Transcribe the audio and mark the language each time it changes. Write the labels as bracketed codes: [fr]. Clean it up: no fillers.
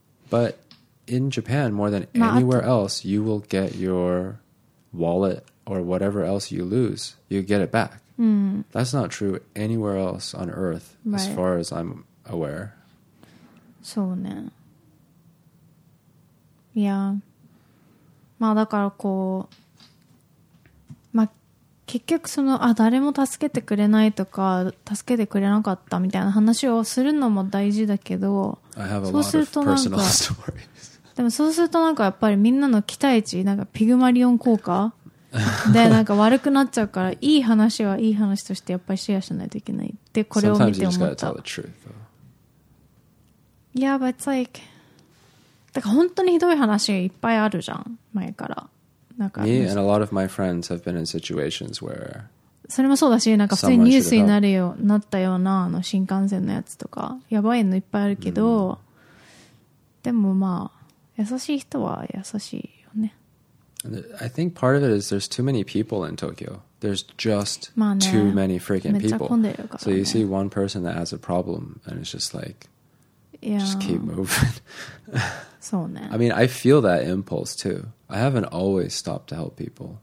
[en] But in Japan, more than anywhere else, you will get your wallet or whatever else you lose, you get it back. That's not true anywhere else on earth, as far as I'm aware. [ja] そうね。いや、まあだからこう、まあ結局その、あ、誰も助けてくれないとか、助けてくれなかったみたいな話をするのも大事だけど、 [en] I have a lot of personal stories. [ja] でもそうするとなんかやっぱりみんなの期待値、なんかピグマリオン効果でなんか悪くなっちゃうから、いい話はいい話としてやっぱりシェアしないといけないってこれを見て思った。 [en] Sometimes you just gotta tell the truth, [ja] though. Yeah, but it's like, だから本当にひどい話いっぱいあるじゃん前から。なんか [en] Me and a lot of my friends have been in situations where [ja] それもそうだし、なんか普通にニュースになるようなったようなあの新幹線のやつとかやばいのいっぱいあるけど、でもまあ優しい人は優しいよね。 [en] I think part of it is there's too many people in Tokyo. There's just too many freaking people. So you see one person that has a problem and it's just like just keep moving. [ja] そうね。 [en] I mean, I feel that impulse too. I haven't always stopped to help people.